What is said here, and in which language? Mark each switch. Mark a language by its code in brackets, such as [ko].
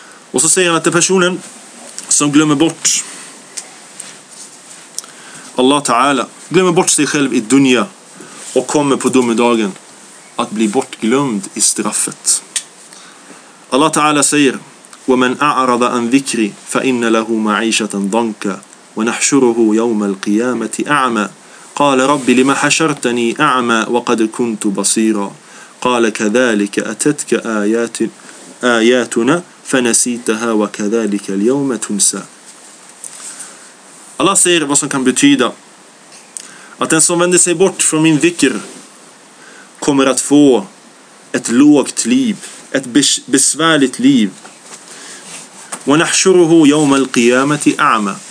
[sv] Och så säger han att den personen som glömmer bort Allah Ta'ala, glömmer bort sig själv i dunya och kommer på domedagen att bli bortglömd i straffet. Allah Ta'ala säger: [ar] وَمَنْ أَعْرَضَ أَنْ ذِكْرِ فَإِنَّ لَهُ مَعِيشَةً ضَنْكَ وَنَحْشُرُهُ يَوْمَ الْقِيَامَةِ أَعْمَى قَالَ رَبِّ لِمَ حَشَرْتَنِي أَعْمَى وَقَدْ كُنْتُ بَصِيرًا قَالَ كَذَلِكَ أَتَتْكَ آيَاتُنَا فَنَسِيتَهَا وَكَذَلِكَ الْيَوْمَ تُنْسَى. [sv] Allah säger vad som kan betyda att den som vänder sig bort från min dhikr kommer att få ett lågt liv, ett besvärligt liv. [ar] وَنَحْشُرُهُ يَوْمَ الْقِيَامَةِ أَعْمَى.